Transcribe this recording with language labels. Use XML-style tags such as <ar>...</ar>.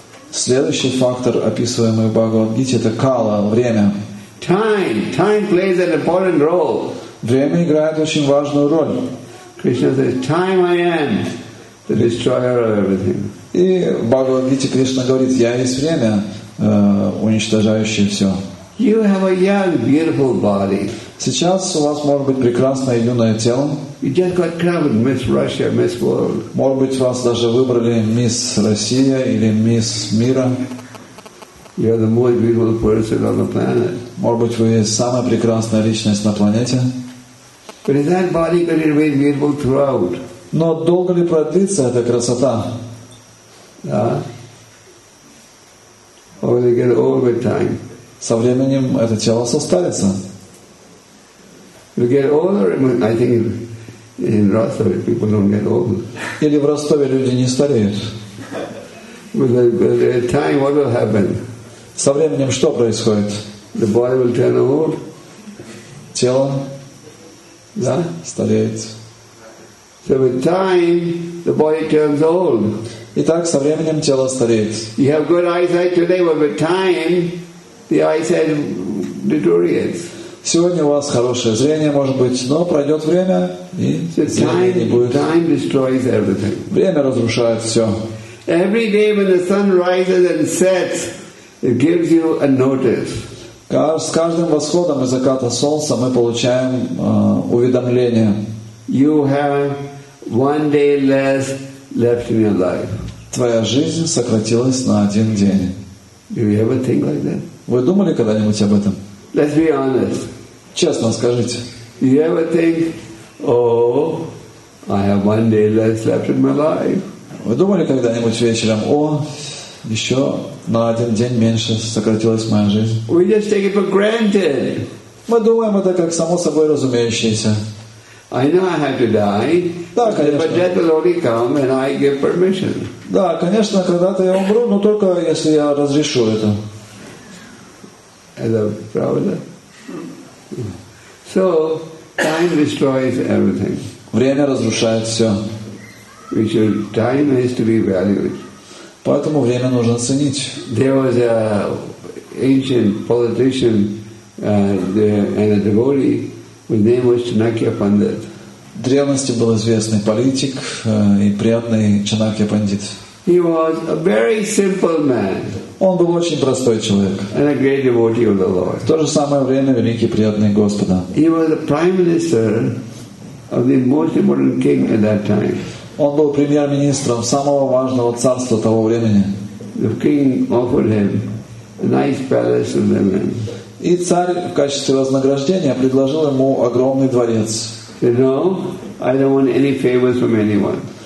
<ru>Следующий фактор, описываемый в Бхагавад-гите, это кала, время.</ru> <en>Time plays an important role.</en> <ru>Время играет очень важную роль.</ru> <en>Krishna says, "Time I am, the destroyer of everything."</en> <ru>И в Бхагавад-гите Кришна говорит, я есть время, уничтожающее все.</ru> <en>You have a young, beautiful body.</en> <ru>Сейчас у вас может быть прекрасное юное тело.</ru> <en>You just got crowned Miss Russia, Miss World.</en> <ru>Может быть, вас даже выбрали Мисс Россия или Мисс Мира.</ru> <en>You're the most beautiful person on the planet.</en> <ru>Может быть, вы самая прекрасная личность на планете.</ru> <en>But is that body going to remain beautiful throughout?</en> <ru>Но долго ли продлится эта красота? Да.</ru> <en>Or will it get old with time?</en> <ru>Со временем это тело состарится.</ru> <en>You get older, I think in Rostov people don't get old.</en> <ru>Или в Ростове люди не стареют.</ru> <en>With the time, what will happen?</en> <ru>Со временем что происходит?</ru> <en>The body will turn old.</en> <ru>Тело, да, стареет.</ru> <en>So with time, the body turns old.</en> <ru>Итак, со временем тело стареет.</ru> <en>You have good eyesight today, but with time, the eyesight deteriorates.</en> <ru>Сегодня у вас хорошее зрение, может быть, но пройдет время, и зрения не будет.</ru> <en>Time destroys everything.</en> <ru>Время разрушает все.</ru> <en>Every day when the sun rises and sets, it gives you a notice.</en> <ru>С каждым восходом и закатом солнца мы получаем уведомление.</ru> <en>You have one day less left in your life.</en> <ru>Твоя жизнь сократилась на один день.</ru> <en>Do you ever think like that?</en> <ru>Вы думали когда-нибудь об этом?</ru> <en>Let's be honest.</en> <ru>Честно скажите.</ru> <en>You ever think, oh, I have one day less left in my life?</en> <ru>Вы думали когда-нибудь вечером, о, еще на один день меньше сократилась моя жизнь?</ru> <en>We just take it for granted.</en> <ru>Мы думаем это как само собой разумеющееся.</ru> <en>I know I have to die.</en> <ru>Да, конечно.</ru> <en>But death will only come when I give permission.</en> <ru>Да, конечно, когда-то я умру, но только если я разрешу это.</ru> <en>As a brother. So time destroys everything.</en> <ru>Время разрушает все.</ru> <en>We should, time is to be valued.</en> <ru>Поэтому время нужно ценить.</ru> <en>There was an ancient politician and a devotee whose name was Chanakya Pandit.</en> <ru>В древности был известный политик и преданный Чанакья Пандит.</ru> <en>He was a very simple man.</en> <ru>Он был очень простой человек.</ru> <en>And a great devotee of the Lord.</en> <ru>В то же самое время великий преданный Господа.</ru> <en>He was the prime minister of the most important king at that time.</en> <ru>Он был премьер-министром самого важного царства того времени.</ru> <en>The king offered him a nice palace and women.</en> <ru>И царь в качестве вознаграждения предложил ему огромный дворец.</ru> <en>Said, no, I don't want any favors from anyone.</en>